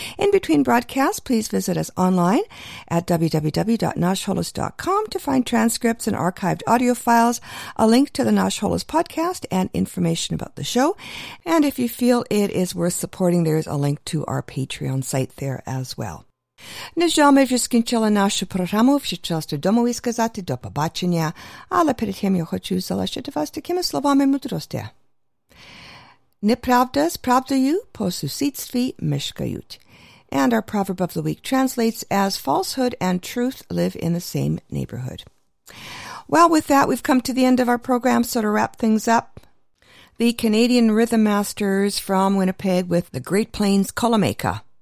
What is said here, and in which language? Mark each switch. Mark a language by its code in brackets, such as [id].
[en] In between broadcasts, please visit us online at www.nashholos.com to find transcripts and archived audio files, a link to the Nash Holos podcast, and information about the show. And if you feel it is worth supporting, there is a link to our Patreon site there as well. [uk] На жаль, вже скінчила нашу програму, вже часто домові сказати до побачення, але перед тим я хочу залишити вас такими словами мудрості. Неправда з правдою по сусідстві мешкають. [en] And our proverb of the week translates as falsehood and truth live in the same neighborhood. Well, with that, we've come to the end of our program, so to wrap things up, the Canadian Rhythm Masters from Winnipeg with the Great Plains Kalameka.